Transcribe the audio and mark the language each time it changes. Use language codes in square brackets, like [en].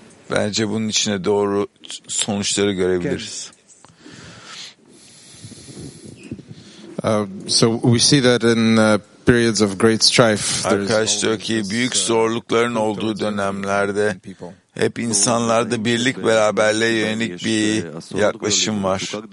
[tr] Bence bunun içine doğru sonuçları görebiliriz. [en] So we see that in periods of great strife. [tr] Arkadaş diyor ki büyük zorlukların olduğu dönemlerde hep insanlarda birlik beraberliğe yönelik bir yaklaşım var.